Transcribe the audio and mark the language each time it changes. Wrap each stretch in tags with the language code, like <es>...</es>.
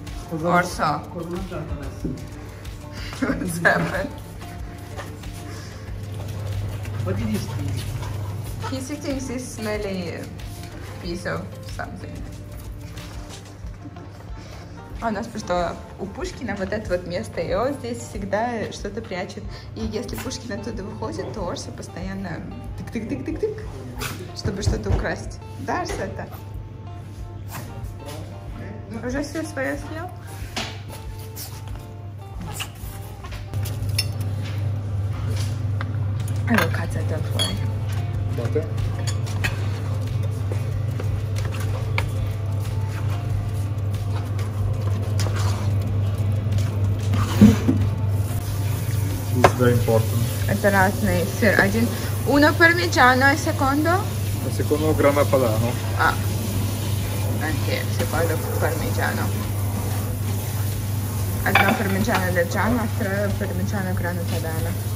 <en>Or so. What's happened? What did he see? He sitting this smelly piece of something.</en> <ru>А у нас просто у Пушкина вот это вот место, и он здесь всегда что-то прячет. И если Пушкин оттуда выходит, то Орса постоянно тык-тык-тык-тык-тык, чтобы что-то украсть. Да, Арсета? Уже все свое съел?</ru> <en>I will cut that up for you.</en> <ru>Это разный сыр. Один. Uno пармезано, и секундо? И секундо грана падано. А. Окей, секундо пармезано. Одно пармезано для джана, второе пармезано грана падано.</ru>